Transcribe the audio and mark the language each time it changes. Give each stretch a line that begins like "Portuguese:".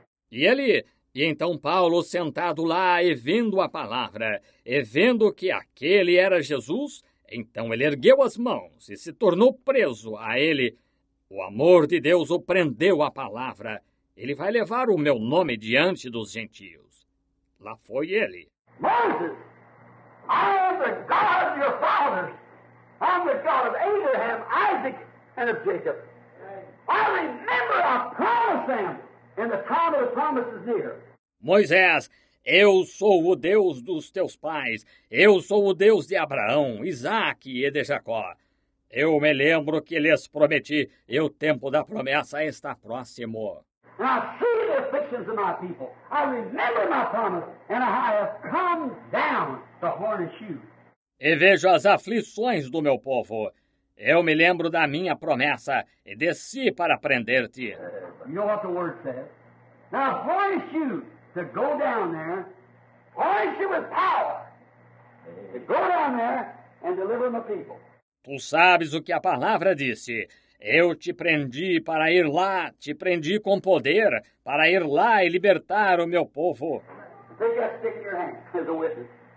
Portuguese: E ele, e então Paulo sentado lá e vendo a palavra, e vendo que aquele era Jesus, então ele ergueu as mãos e se tornou preso a ele. O amor de Deus o prendeu à palavra. Ele vai levar o meu nome diante dos gentios. Lá foi ele.
English: Moses, I am the God of your fathers. I'm the God of Abraham, Isaac, and of Jacob. I remember I promised them, and the time of the promise is near.
Portuguese: Moisés, eu sou o Deus dos teus pais. Eu sou o Deus de Abraão, Isaac e de Jacó. Eu me lembro que lhes prometi, e o tempo da promessa está próximo.
English: And I see the afflictions of my people. I remember my promise, and I have come down to harness you.
Portuguese: E vejo as aflições do meu povo. Eu me lembro da minha promessa e desci para prender-te.
English: You know what the word says? Now harness you to go down there, harness you with power to go down there and deliver my people.
Portuguese: Tu sabes o que a palavra disse. Eu te prendi para ir lá, te prendi com poder para ir lá e libertar o meu povo.
English: They got to stick in your hands as a witness.